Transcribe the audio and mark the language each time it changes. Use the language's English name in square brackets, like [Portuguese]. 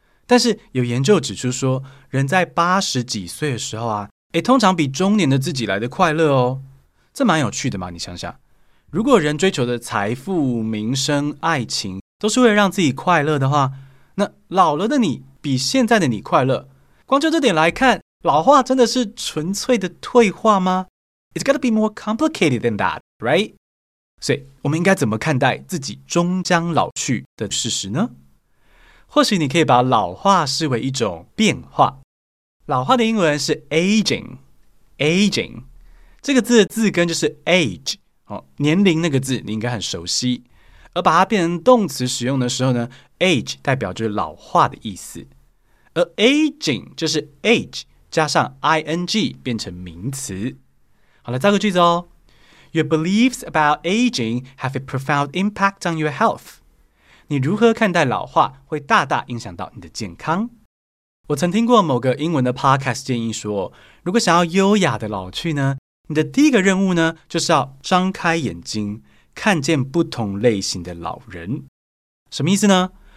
[Chinese] 但是有研究指出说，人在80几岁的时候啊，通常比中年的自己来得快乐哦，这蛮有趣的嘛。你想想，如果人追求的财富、名声、爱情都是为了让自己快乐的话，那老了的你比现在的你快乐，光就这点来看，老化真的是纯粹的退化吗？ [English] It's gotta be more complicated than that, right? [Chinese] 所以我们应该怎么看待自己终将老去的事实呢？或许你可以把老化视为一种变化。老化的英文是 aging, aging。这个字的字根就是 age, 年龄那个字你应该很熟悉。而把它变成动词使用的时候呢， age 代表就是老化的意思。而 aging 就是 age 加上 ing 变成名词。好了，造个句子哦。 [English] Your beliefs about aging have a profound impact on your health. [Chinese] 你如何看待老化会大大影响到你的健康。我曾听过某个英文的 podcast 建议说，如果想要优雅的老去呢，你的第一个任务呢，就是要张开眼睛，看见不同类型的老人。什么意思呢？